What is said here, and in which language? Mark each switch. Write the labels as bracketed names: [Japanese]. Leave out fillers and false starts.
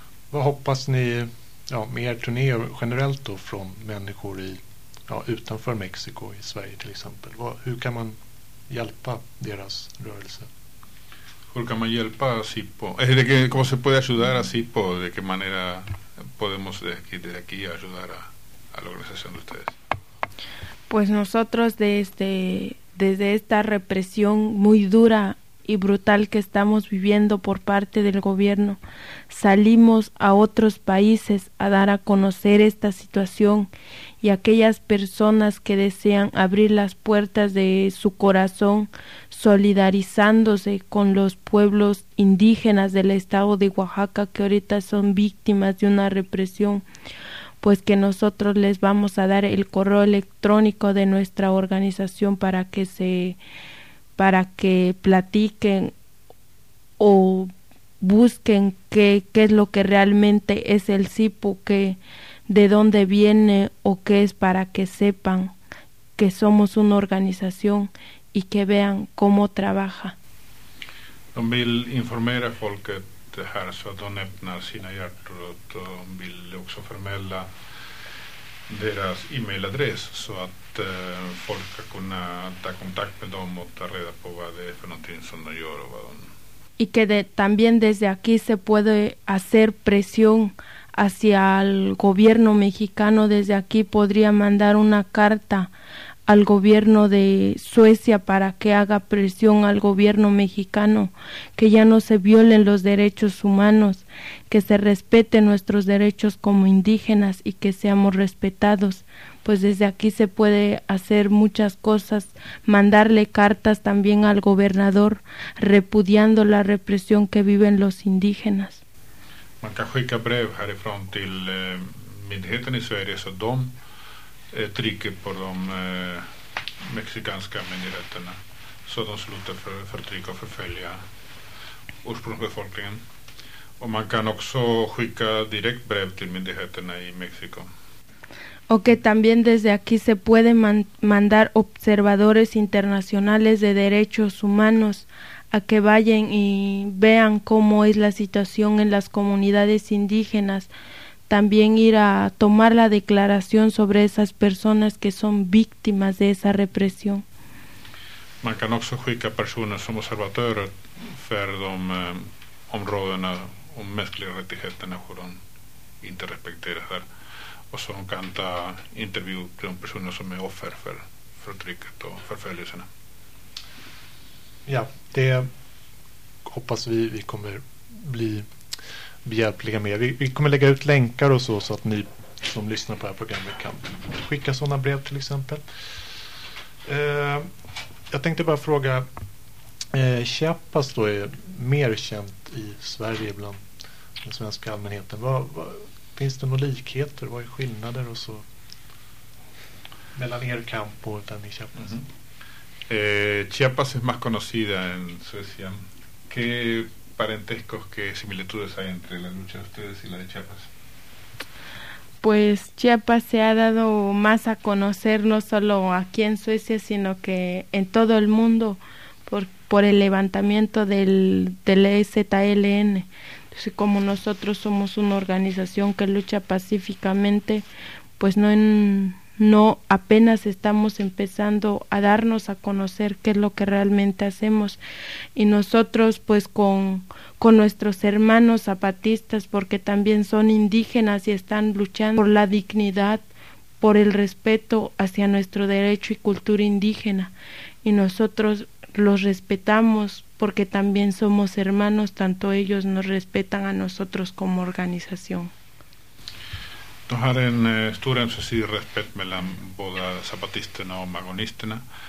[Swedish] Vad hoppas ni, ja, med er turné generellt då, från människor i, ja, utanför Mexiko, i Sverige till exempel? Hur kan man hjälpa deras rörelse? Hur kan man hjälpa SIPO? [Spanish] Cómo se puede ayudar a SIPO? De qué manera podemos desde aquí ayudar a la organización de ustedes? Pues nosotros desde esta represión muy dura y brutal que estamos viviendo por parte del gobierno, salimos a otros países a dar a conocer esta situación, y aquellas personas que desean abrir las puertas de su corazón solidarizándose con los pueblos indígenas del estado de Oaxaca, que ahorita son víctimas de una represión, pues que nosotros les vamos a dar el correo electrónico de nuestra organización para que platiquen o busquen qué es lo que realmente es el SIPO, que de dónde viene o qué es, para que sepan que somos una organización y que vean cómo trabaja. [Swedish] De vill informera folket här så att de öppnar sina hjärtor, och de vill också förmedla deras e-mailadress så att folk ska kunna ta kontakt med dem och ta reda på vad det är för någonting som de gör och vad de... [Spanish] Y que también desde aquí se puede hacer presión hacia el gobierno mexicano. Desde aquí podría mandar una carta al gobierno de Suecia para que haga presión al gobierno mexicano, que ya no se violen los derechos humanos, que se respeten nuestros derechos como indígenas y que seamos respetados. Pues desde aquí se puede hacer muchas cosas, mandarle cartas también al gobernador repudiando la represión que viven los indígenas. [Swedish] Man kan skicka brev härifrån till myndigheten i Sverige så de trycker på de mexikanska myndigheterna så de slutar förtrycka och förfölja ursprungsbefolkningen. Och man kan också skicka direkt brev till myndigheterna i Mexiko. [Spanish] O que también desde aquí se puede mandar observadores internacionales de derechos humanos a que vayan y vean cómo es la situación en las comunidades indígenas. También ir a tomar la declaración sobre esas personas que son víctimas de esa represión. [Swedish] Man kan också skicka personer som observatörer för de områdena om mänskliga rättigheterna hur de inte respekteras där. Och så kan ta intervju med de personer som är offer för förtrycket och förföljelserna. Ja, det hoppas vi kommer bli behjälpliga med. Vi kommer lägga ut länkar och så att ni som lyssnar på det här programmet kan skicka sådana brev till exempel. Jag tänkte bara fråga, Chiapas då är mer känt i Sverige bland den svenska allmänheten. Finns det några likheter? Vad är skillnader och så mellan er kamp och den i Chiapas? Mm-hmm. [Spanish] Chiapas es más conocida en Suecia. ¿Qué parentescos, qué similitudes hay entre la lucha de ustedes y la de Chiapas? Pues Chiapas se ha dado más a conocer no solo aquí en Suecia, sino que en todo el mundo por el levantamiento del EZLN. Entonces, como nosotros somos una organización que lucha pacíficamente, pues no apenas estamos empezando a darnos a conocer qué es lo que realmente hacemos. Y nosotros, pues con nuestros hermanos zapatistas, porque también son indígenas y están luchando por la dignidad, por el respeto hacia nuestro derecho y cultura indígena. Y nosotros los respetamos porque también somos hermanos, tanto ellos nos respetan a nosotros como organización. [Swedish] Då har en stor ömsesidig respekt mellan båda zapatisterna och magonisterna.